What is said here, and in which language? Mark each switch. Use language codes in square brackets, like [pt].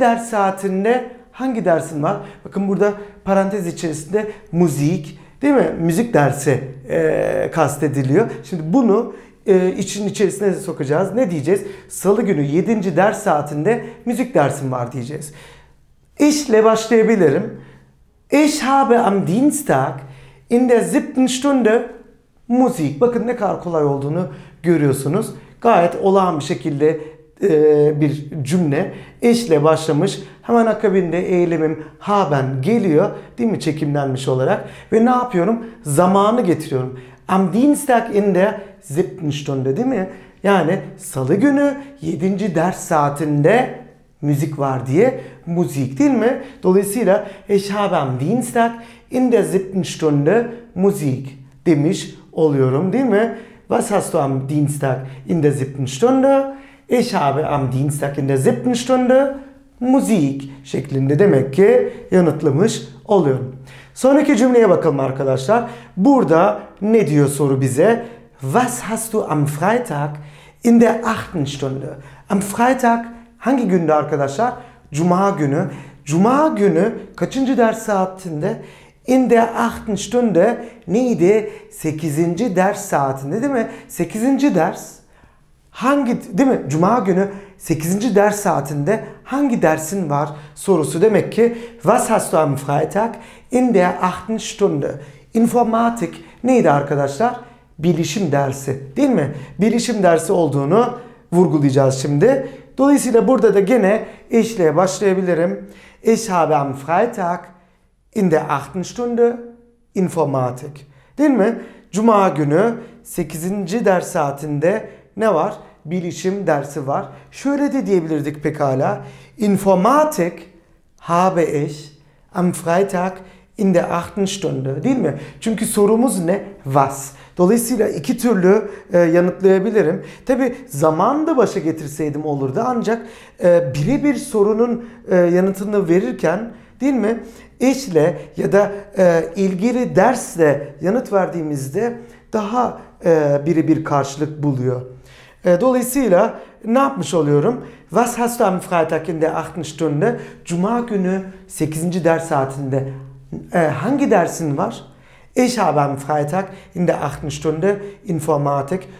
[tr] ders saatinde hangi dersin var? Bakın burada parantez içerisinde müzik, değil mi? Müzik dersi kastediliyor. Şimdi bunu için içerisine sokacağız. Ne diyeceğiz? Salı günü 7. ders saatinde müzik dersin var diyeceğiz. İşle başlayabilirim. [de] Ich habe am Dienstag in der siebten Stunde Musik. [tr] Bakın ne kadar kolay olduğunu görüyorsunuz. Gayet olağan bir şekilde bir cümle. İşle başlamış. Hemen akabinde eylemim haben geliyor. Değil mi? Çekimlenmiş olarak. Ve ne yapıyorum? Zamanı getiriyorum. [de] Am Dienstag in der siebten Stunde, [tr] değil mi? Yani salı günü 7. ders saatinde müzik var diye. Müzik değil mi? Dolayısıyla [de] ich habe am Dienstag in der siebten Stunde Musik [tr] demiş oluyorum değil mi? [de] Was hast du am Dienstag in der siebten Stunde? Ich habe am Dienstag in der siebten Stunde Musik [tr] şeklinde demek ki yanıtlamış oluyorum. Sonraki cümleye bakalım arkadaşlar. Burada ne diyor soru bize? [de] Was hast du am Freitag in der achten Stunde? Am Freitag [tr] hangi günde arkadaşlar? Cuma günü. Cuma günü kaçıncı ders saatinde? [de] In der achten Stunde [tr] neydi? [de] 8. [tr] ders saatinde değil mi? 8. ders hangi değil mi? Cuma günü 8. ders saatinde hangi dersin var sorusu demek ki. [de] Was hast du am Freitag in der achten Stunde? [tr] Informatik neydi arkadaşlar? Bilişim dersi değil mi? Bilişim dersi olduğunu vurgulayacağız şimdi. Dolayısıyla burada da gene işle başlayabilirim. [de] Ich habe am Freitag in der achten Stunde Informatik. [tr] Değil mi? Cuma günü 8. ders saatinde ne var? Bilişim dersi var. Şöyle de diyebilirdik pekala. [de] Informatik habe ich am Freitag in der achten Stunde. [tr] Değil mi? Çünkü sorumuz ne? Was? Dolayısıyla iki türlü yanıtlayabilirim. Tabi zaman da başa getirseydim olurdu. Ancak birebir sorunun yanıtını verirken değil mi? İşle ya da ilgili dersle yanıt verdiğimizde daha birebir karşılık buluyor. Dolayısıyla ne yapmış oluyorum? [de] Was hast du am Freitag in der achten Stunde? [tr] Cuma günü 8. ders saatinde hangi dersin var? [de] Ich habe am Freitag in der achten Stunde Informatik.